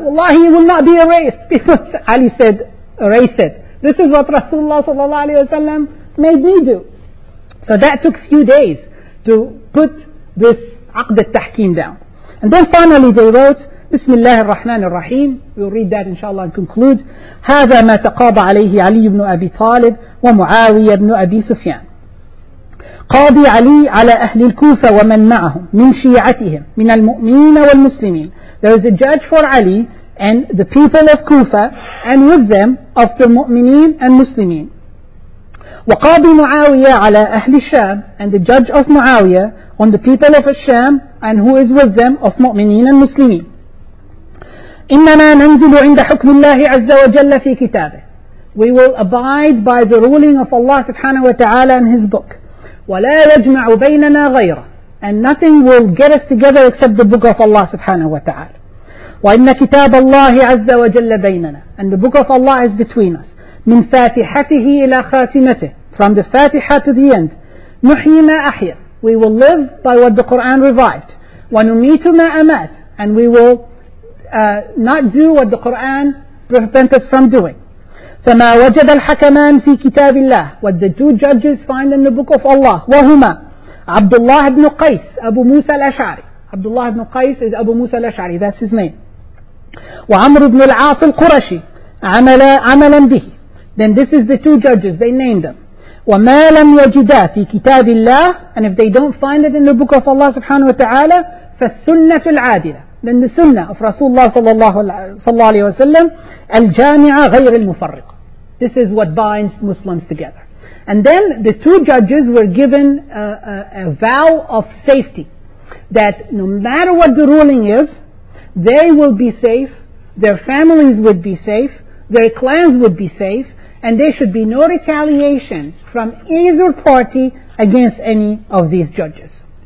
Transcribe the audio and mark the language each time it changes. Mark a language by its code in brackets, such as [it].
[en] Wallahi, it will not be erased. People say, Ali said, erase it. This is what Rasulullah sallallahu alayhi wa sallam made me do. So that took a few days to put this Aqd al-Tahkim down. And then finally they wrote, Bismillah ar-Rahman ar-Rahim. We'll read that inshallah and conclude. [ar] هذا ما تقاضى عليه علي بن أبي طالب ومعاوية بن أبي سفيان. قاضي علي على أهل الكوفة ومن معهم من شيعتهم من المؤمنين والمسلمين. [en] There is a judge for Ali and the people of Kufa and with them of the مؤمنين and Muslimin. [ar] وقاضي معاوية على أهل الشام [en] and the judge of Muawiyah on the people of Al-Sham and who is with them of مؤمنين and Muslimin. [ar] إننا ننزل عند حكم الله عز وجل في كتابه. [en] We will abide by the ruling of Allah subhanahu wa ta'ala in His book. [ar] ولا يجمع بيننا غيره. [en] And nothing will get us together except the book of Allah subhanahu wa ta'ala. [ar] وإن كتاب الله عز وجل بيننا. [en] And the book of Allah is between us. [ar] من فاتحته إلى خاتمته. [en] From the Fatiha to the end. [ar] نحي ما أحيا. [en] We will live by what the Quran revived. [ar] ونميت ما أمات. [en] And we will not do what the Quran prevents us from doing. [ar] فما وجد الحكمان في كتاب الله. [en] What the two judges find in the book of Allah. [ar] وهما عبد الله بن قيس أبو موسى الأشعري. عبد الله بن قيس is أبو موسى الأشعري. [en] That's his name. [ar] وعمر بن العاص القرشي عملا به. [en] Then this is the two judges. They named them. [ar] وما لم يجدا في كتاب الله. [en] And if they don't find it in the book of Allah سبحانه وتعالى [ar] فالسنة العادلة. [en] Then the sunnah of Rasulullah sallallahu alayhi wa sallam [ar] al-jami'a ghayr al-mufarriq. [en] This is what binds Muslims together. And then the two judges were given a vow of safety, that no matter what the ruling is, they will be safe, their families would be safe, their clans would be safe, and there should be no retaliation from either party against any of these judges.